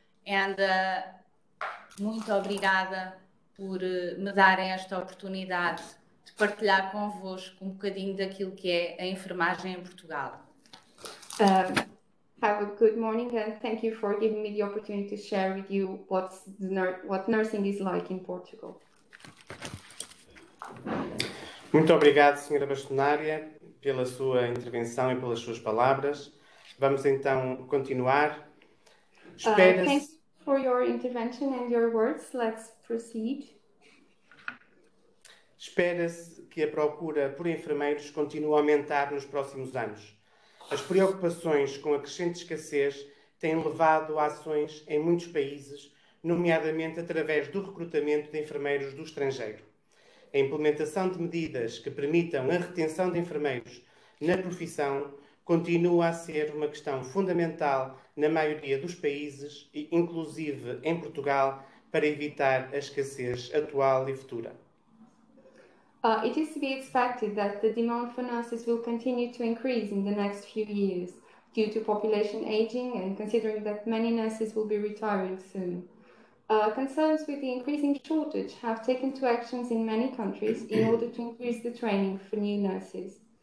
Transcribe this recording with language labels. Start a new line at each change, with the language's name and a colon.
Portuguese: And muito obrigada por me darem esta oportunidade de partilhar convosco um bocadinho daquilo que é a enfermagem em Portugal.
English: Have a good morning and thank you for giving me the opportunity to share with you what nursing is like in Portugal.
Portuguese: Muito obrigado, Sra. Bastonária, pela sua intervenção e pelas suas palavras. Vamos então continuar.
English: Thanks for your intervention and your words. Let's proceed.
Portuguese: Espera-se que a procura por enfermeiros continue a aumentar nos próximos anos. As preocupações com a crescente escassez têm levado a ações em muitos países, nomeadamente através do recrutamento de enfermeiros do estrangeiro. A implementação de medidas que permitam a retenção de enfermeiros na profissão continua a ser uma questão fundamental na maioria dos países, e inclusive em Portugal, para evitar a escassez atual e futura.
English: It is to be expected that the demand for nurses will continue to increase in the next few years due to population aging and considering that many nurses will be retiring soon. Concerns with the increasing shortage have taken to actions in many countries in order to increase the training for new nurses.